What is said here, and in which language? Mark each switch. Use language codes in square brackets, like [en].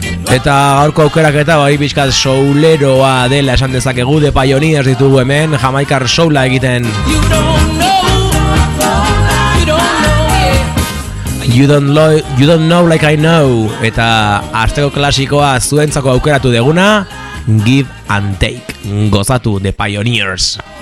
[eu] Eta gaurko aukerak eta bai pixkat souleroa dela esan dezakegu, de Pioneers ditugu hemen, Jamaikar soula egiten. [en] You don't know like I know. [eu] Eta asteko klasikoa zuentzako aukeratu deguna, Give and Take. Gozatu, de Pioneers.